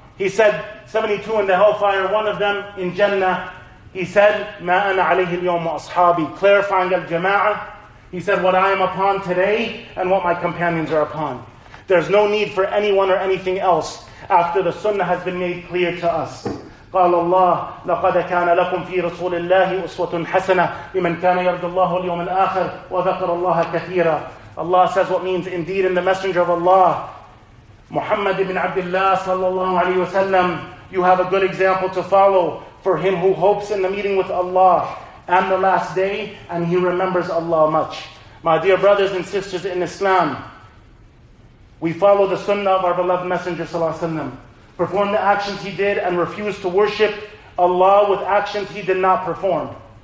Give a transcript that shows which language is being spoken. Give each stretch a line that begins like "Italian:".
English: He said, 72 in the hellfire, one of them in Jannah. He said,
Arabic: ma ana alayhi al-yawm wa ashabi,
English: clarifying
Arabic: al-jama'ah.
English: He said, what I am upon today, and what my companions are upon. There's no need for anyone or anything else after the sunnah has been made clear to us.
Arabic: قال الله لقد كان لكم في رسول الله أسوة حسنة لمن كان يرجو الله اليوم الآخر وذكر الله كثيرا.
English: Allah says what means indeed in the Messenger of Allah, Muhammad ibn Abdullah sallallahu alayhi wa sallam, you have a good example to follow for him who hopes in the meeting with Allah and the last day, and he remembers Allah much. My dear brothers and sisters in Islam, we follow the sunnah of our beloved Messenger sallallahu alayhi wa sallam, perform the actions he did and refuse to worship Allah with actions he did not perform.